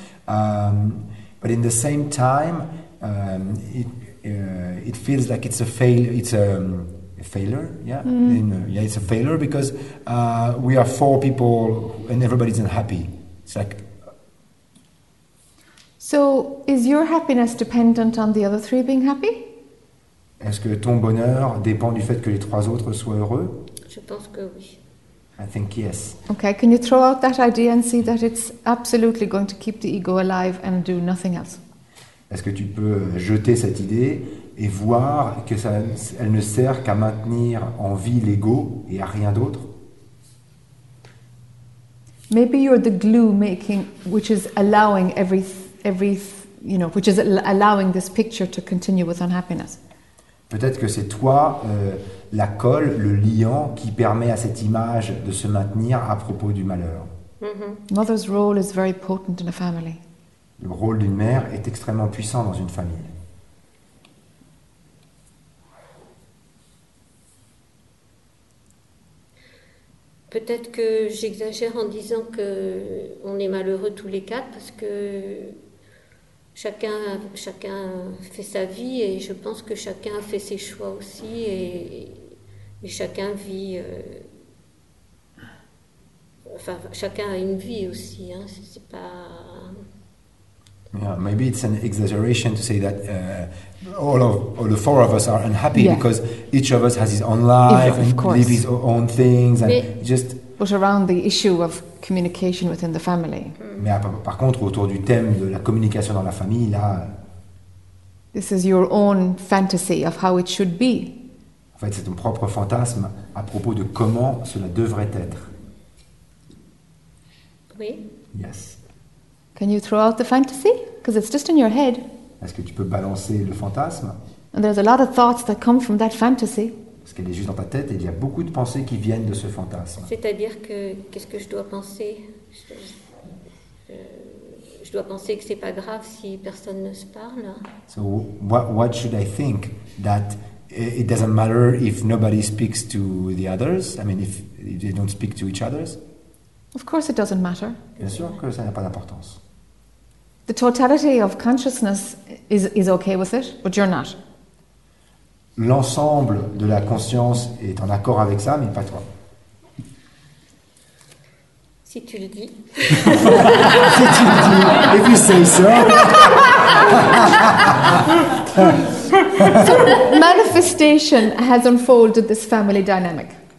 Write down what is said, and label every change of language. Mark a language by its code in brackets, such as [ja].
[en] But in the same time, it feels like it's a failure. It's a failure, yeah. Mm. It's a failure because we are four people and everybody's unhappy. It's like. So is your happiness dependent on the other three being happy? [fr] Est-ce que ton bonheur dépend du fait que les trois autres soient heureux? Je pense que oui. [en] I think yes. Okay, can you throw out that idea and see that it's absolutely going to keep the ego alive and do nothing else? [fr] Est-ce que tu peux jeter cette idée et voir que ça, elle ne sert qu'à maintenir en vie l'ego et à rien d'autre? [en] Maybe you're the glue making, which is allowing which is allowing this picture to continue with unhappiness. [fr] Peut-être que c'est toi, la colle, le liant, qui permet à cette image de se maintenir à propos du malheur. [en] Mm-hmm. Mother's role is very potent in a family. [fr] Le rôle d'une mère est extrêmement puissant dans une famille. Peut-être que j'exagère en disant que on est malheureux tous les quatre parce que chacun fait sa vie et je pense que chacun a fait ses choix aussi et chacun vit. Enfin, chacun a une vie aussi. Hein, c'est pas. [en] Yeah, maybe it's an exaggeration to say that all the four of us are unhappy because each of us has his own life and lives his own things. But around the issue of communication within the family. [fr] Mais par contre, autour du thème de la communication dans la famille, là. [en] This is your own fantasy of how it should be. [fr] En fait, c'est ton propre fantasme à propos de comment cela devrait être. Oui. [en] Yes. Can you throw out the fantasy? Because it's just in your head. [fr] Est-ce que tu peux balancer le fantasme? [en] And there's a lot of thoughts that come from that fantasy. [fr] Parce qu'elle est juste dans ta tête et il y a beaucoup de pensées qui viennent de ce fantasme. C'est-à-dire que qu'est-ce que je dois penser? Je dois penser que c'est pas grave si personne ne se parle. [en] So what should I think that it doesn't matter if nobody speaks to the others? I mean if they don't speak to each others? Of course it doesn't matter. [fr] Bien sûr que ça n'a pas d'importance. [en] The totality of consciousness is okay with it, but you're not. [fr] L'ensemble de la conscience est en accord avec ça, mais pas toi. Si tu le dis. Si tu le dis, [en] if you say so. So manifestation has unfolded this family dynamic.